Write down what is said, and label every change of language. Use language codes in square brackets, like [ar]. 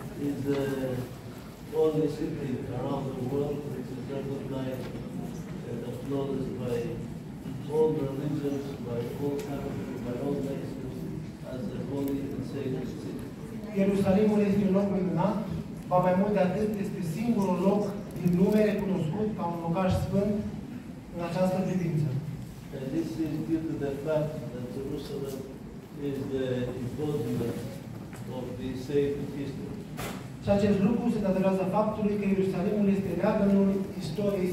[en] Is the only city around the world which is recognized and applauded by all religions, by all countries, by all nations as the holy and sacred city. [ro] Ierusalimul este un loc minunat, ba mai mult de atât, este singurul loc din lume recunoscut ca un locaș sfânt în această privință. [en] And this is due to the fact that Jerusalem is the embodiment of the sacred history. [ro] Și acest lucru se datorează faptului că Ierusalimul este leagănul istoriei